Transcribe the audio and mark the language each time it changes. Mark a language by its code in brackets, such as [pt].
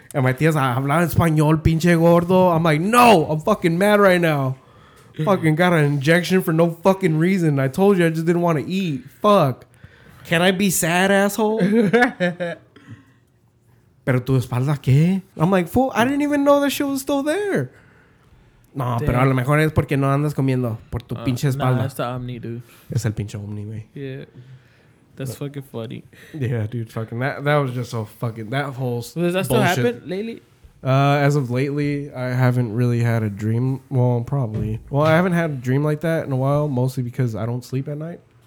[en] And my tía's like, [es] habla español, pinche gordo. [en] I'm like, no, I'm fucking mad right now. Fucking got an injection for no fucking reason. I told you I just didn't want to eat. Fuck. Can I be sad, asshole? [es] Pero tu espalda, ¿qué? [en] I'm like, fool, I didn't even know that shit was still there. No, damn. [es] Pero a lo mejor es porque no andas comiendo por tu pinche espalda. [en] Nah, that's the Omni, dude. [es] Es el pinche Omni, güey. [en] Yeah. That's fucking funny. Yeah, dude. Fucking that. That was just so fucking. That whole. Does that still happen lately? As of lately, I haven't really had a dream. Well, probably. Well, I haven't had a dream like that in a while, mostly because I don't sleep at night.